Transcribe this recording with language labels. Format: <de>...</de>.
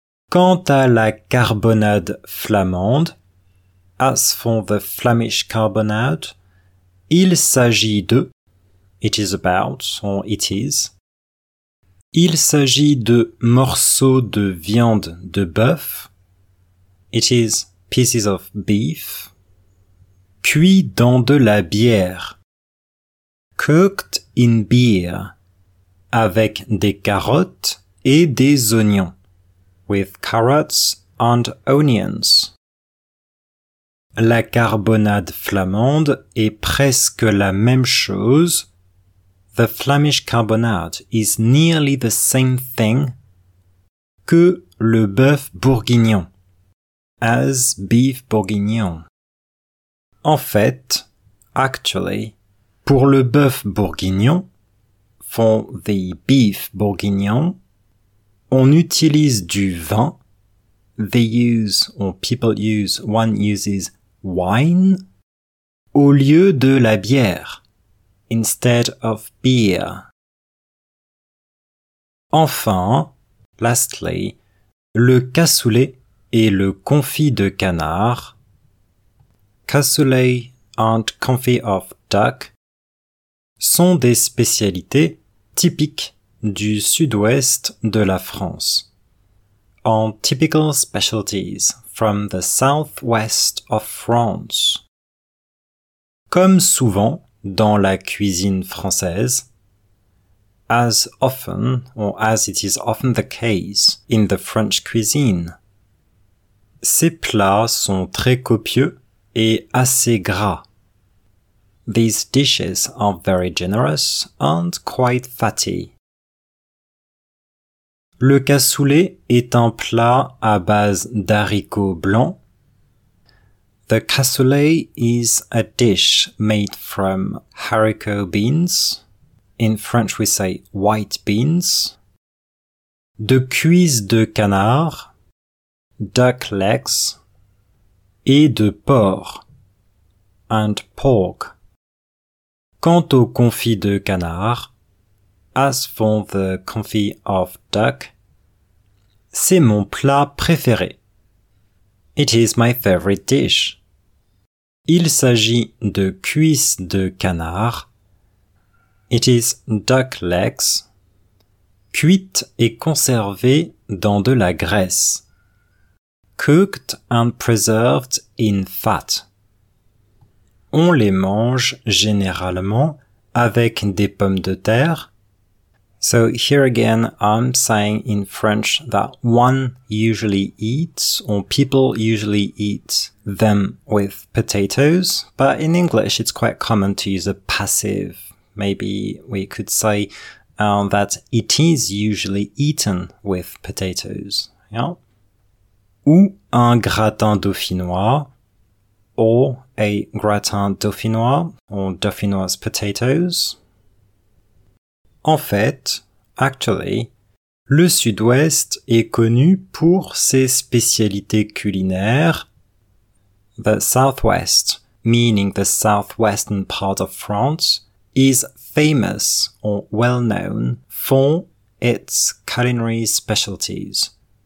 <fr>Quant à la carbonade flamande,</fr> <en>as for the Flemish carbonade,</en> <fr>il s'agit de,</fr> <en>it is about, or it is,</en> <fr>il s'agit de morceaux de viande de bœuf,</fr> <en>it is pieces of beef,</en> <fr>cuits dans de la bière,</fr> <en>cooked in beer,</en> <fr>avec des carottes et des oignons.</fr> <en>With carrots and onions.</en> <fr>La carbonade flamande est presque la même chose.</fr> <en>The Flemish carbonade is nearly the same thing</en> <fr>que le bœuf bourguignon,</fr> <en>as beef bourguignon.</en> <fr>En fait,</fr> <en>actually,</en> <fr>pour le bœuf bourguignon,</fr> <en>for the beef bourguignon,</en> <fr>on utilise du vin,</fr> <en>they use, or people use, one uses wine,</en> <fr>au lieu de la bière,</fr> <en>instead of beer.</en> <fr>Enfin, lastly, le cassoulet et le confit de canard,</fr> <en>cassoulet and confit of duck,</en> <fr>sont des spécialités typiques du sud-ouest de la France.</fr> <en>On typical specialties from the southwest of France.</en> <fr>Comme souvent dans la cuisine française,</fr> <en>as often or as it is often the case in the French cuisine,</en> <fr>ces plats sont très copieux et assez gras.</fr> <en>These dishes are very generous and quite fatty.</en> <fr>Le cassoulet est un plat à base d'haricots blancs.</fr> <en>The cassoulet is a dish made from haricot beans. In French we say white beans.</en> <fr>De cuisses de canard,</fr> <en>duck legs,</en> <fr>et de porc,</fr> <en>and pork.</en> <fr>Quant au confit de canard,</fr> <en>as for the confit of duck,</en> <fr>c'est mon plat préféré.</fr> <en>It is my favorite dish.</en> <fr>Il s'agit de cuisses de canard.</fr> <en>It is duck legs.</en> <fr>Cuites et conservées dans de la graisse.</fr> <en>Cooked and preserved in fat.</en> <fr>On les mange généralement avec des pommes de terre.</fr> <en>So here again, I'm saying in French that one usually eats, or people usually eat them with potatoes. But in English, it's quite common to use a passive. Maybe we could say that it is usually eaten with potatoes. Yeah?</en> <fr>Ou un gratin dauphinois,</fr> <en>or a gratin dauphinois, or dauphinoise potatoes.</en> <fr>En fait,</fr> <en>actually,</en> <fr>Le Sud-Ouest est connu pour ses spécialités culinaires.</fr> <en>The Southwest, meaning the southwestern part of France, is famous or well known for its culinary specialties.</en>